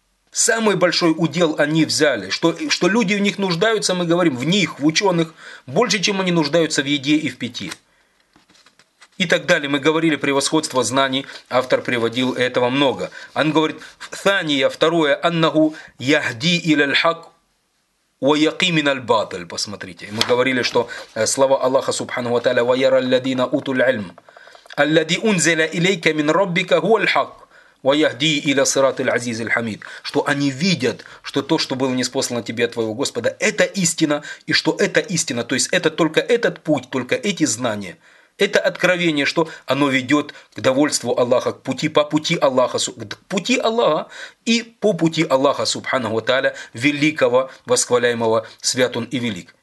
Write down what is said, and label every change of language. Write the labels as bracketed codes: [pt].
[ru] Самый большой удел они взяли. Что люди в них нуждаются, мы говорим, в них, в ученых, больше, чем они нуждаются в еде и в питье. И так далее. Мы говорили превосходство знаний. Автор приводил этого много. Он говорит, [ar] «Фания, [ru] второе, [ar] аннаху яхди иляльхак». وَيَقِيمِنَ الْبَاطِلِ. [ru] Посмотрите. Мы говорили, что слова Аллаха Субхану Ва Тааля [ar] وَيَرَى الَّذِينَ أُوتُوا الْعِلْمَ الَّذِي أُنْزِلَ إِلَيْكَ مِنْ رَبِّكَ هُوَ الْحَقُّ وَيَهْدِي إِلَى صِرَاطِ الْعَزِيزِ الْحَمِيدِ. [ru] Что они видят, что то, что было ниспослано тебе от твоего Господа, это истина, и что это истина, то есть это только этот путь, только эти знания, это откровение, что оно ведет к довольству Аллаха, к пути Аллаха и по пути Аллаха, субханаху тааля, великого, восхваляемого, свят он и велик.